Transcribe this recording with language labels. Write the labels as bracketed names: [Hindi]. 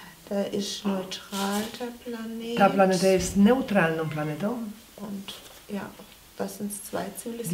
[German] Da ist neutral der Planet. [Polish] Ta planeta jest neutralną planetą. [German] Und ja, das sind zwei Zivilisationen.